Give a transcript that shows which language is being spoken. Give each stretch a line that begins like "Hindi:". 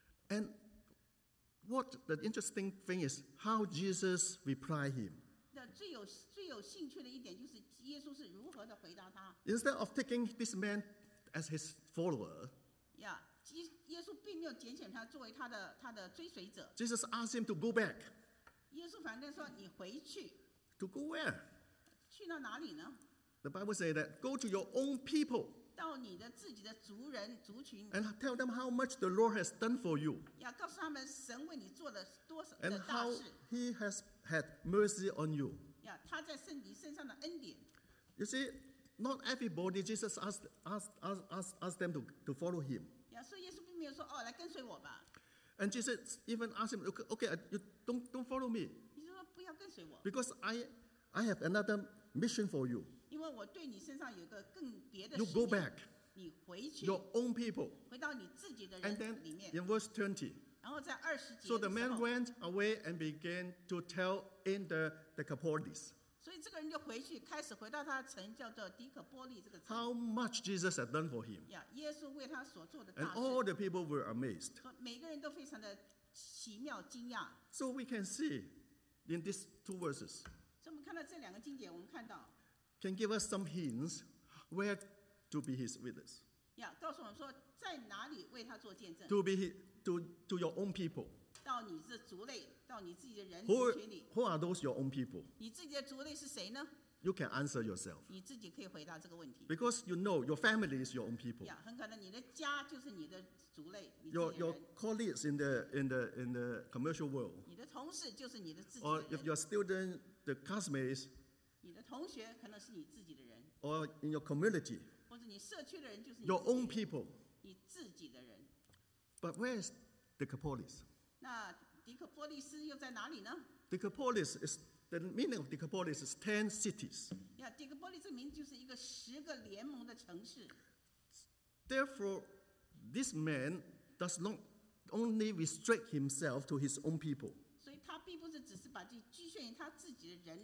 English: And what the interesting thing is, how Jesus replied him.
Chinese: 最有兴趣的一点就是耶稣是如何的回答他。
English: Instead of taking this man as his follower,
Chinese: yeah, 耶稣并没有拣选他作为他的追随者。
English: Jesus asked him to go back.
Chinese: 耶稣反正说你回去。
English: To go where?
Chinese: 去到哪里呢？
English: The Bible says that go to your own people.
Chinese: 到你的自己的族人族群。
English: And tell them how much the Lord has done for you.
Chinese: Yeah, 告诉他们神为你做了多少的大事。
English: And how he has had mercy on you.
Chinese: 他在你身上的恩典。
English: You see, not everybody Jesus asked them to follow him.
Chinese: Yeah, 所以耶稣并没有说哦，来跟随我吧。
English: And Jesus even asked him, okay, you don't follow me.
Chinese: 你说不要跟随我。
English: Because I have another mission for you.
Chinese: 因为我对你身上有个更别的使命。
English: You go back.
Chinese: 你回去。
English: Your own people.
Chinese: 回到你自己的人里面。
English: And then in verse 20.
Chinese: 然后在二十节。
English: So the man went away and began to tell in the Decapolis.
Chinese: 所以这个人就回去，开始回到他的城，叫做迪可波利这个城。
English: How much Jesus had done for him?
Chinese: 耶稣为他所做的大事。
English: And all the people were amazed.
Chinese: 每个人都非常的奇妙惊讶。
English: So we can see in these two verses.
Chinese: 所以我们看到这两个经节，我们看到
English: can give us some hints where to be his witness.
Chinese: 告诉我们说在哪里为他做见证。
English: To be his To your own people.
Chinese: 到你的族类，到你自己的人群里。
English: Who are those your own people?
Chinese: 你自己的族类是谁呢？
English: You can answer yourself.
Chinese: 你自己可以回答这个问题。
English: Because you know your family is your own people.
Chinese: 很可能你的家就是你的族类。
English: Your colleagues in the commercial world.
Chinese: 你的同事就是你的自己的人。
English: Or if you're a student, the classmates.
Chinese: 你的同学可能是你自己的人。
English: Or in your community.
Chinese: 或者你社区的人就是你。
English: Your own people.
Chinese: 你自己的人。
English: But where is Decapolis?
Chinese: 那迪Decapolis 又在哪里呢？
English: Decapolis is the meaning of Decapolis is 10 cities.
Chinese: Yeah, Decapolis 这名就是一个十个联盟的城市。
English: Therefore, this man does not only restrict himself to his own people.
Chinese: 所以他并不是只是把这局限于他自己的人。